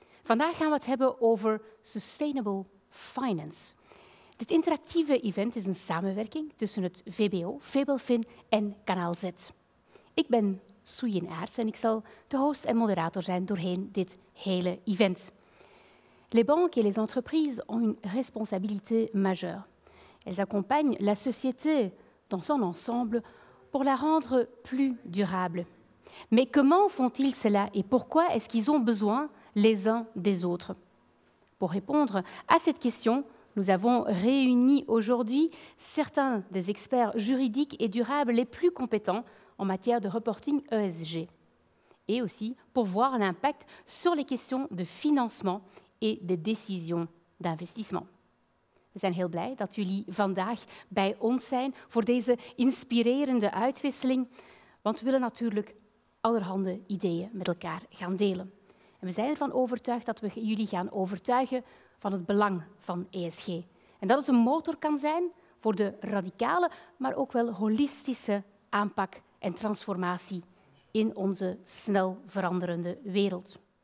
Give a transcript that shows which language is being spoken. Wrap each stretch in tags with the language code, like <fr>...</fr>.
<nl>Vandaag gaan we het hebben over Sustainable Finance. Dit interactieve event is een samenwerking tussen het VBO, Fabelfin en Kanaal Z. Ik ben Soeien Aerts en ik zal de host en moderator zijn doorheen dit hele event.</nl> <fr>Les banques et les entreprises ont une responsabilité majeure. Elles accompagnent la société dans son ensemble pour la rendre plus durable. Mais comment font-ils cela et pourquoi est-ce qu'ils ont besoin les uns des autres? Pour répondre à cette question, nous avons réuni aujourd'hui certains des experts juridiques et durables les plus compétents en matière de reporting ESG. Et aussi pour voir l'impact sur les questions de financement et des décisions d'investissement.</fr> <nl>We zijn heel blij dat jullie vandaag bij ons zijn voor deze inspirerende uitwisseling, want we willen natuurlijk allerhande ideeën met elkaar gaan delen. En we zijn ervan overtuigd dat we jullie gaan overtuigen van het belang van ESG en dat het een motor kan zijn voor de radicale, maar ook wel holistische aanpak en transformatie in onze snel veranderende wereld.</nl>